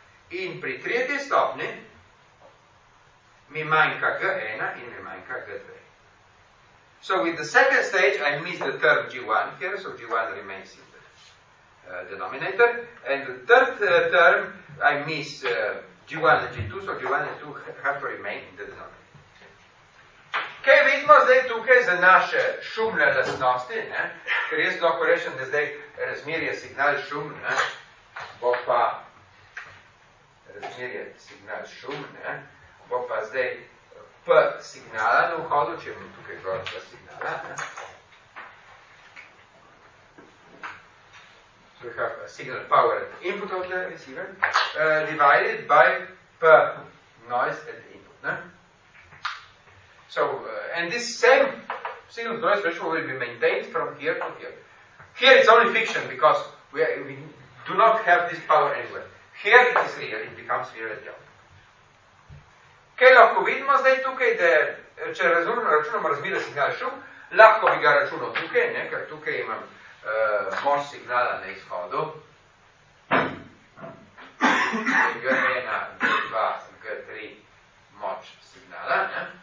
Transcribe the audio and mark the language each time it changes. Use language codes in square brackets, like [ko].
[sl] In pri tretji stopnji mi manjka G1 in mi manjka G2. [en] So with the second stage, I miss the term G1 here, so G1 remains in the denominator. And the third term, I miss G1 and G2, so G1 and G2 have to remain in the denominator. [sl] Kaj vidimo zdaj tukaj za naše šumne lastnosti, ne? Ker jaz lahko rečem, da zdaj razmerje signal šum, ne? Bo pa razmerje signal šum, ne? Bo pa zdaj P signala na vhodu, če imamo tukaj gor P signala. [en] So we have a signal power at the input of the receiver, divided by P noise at the input. Ne? So, and this same signal noise ratio will be maintained from here to here. Here it's only fiction, because we do not have this power anywhere. Here it is real, it becomes real at the output. [sl] Kaj lahko vidimo zdaj tukaj, da če razumno računamo razmerje signala šum, lahko bi ga računal tukaj, ne, ker tukaj imam moč signala na izhodu. G1, G2, G3 moč signala. Ne.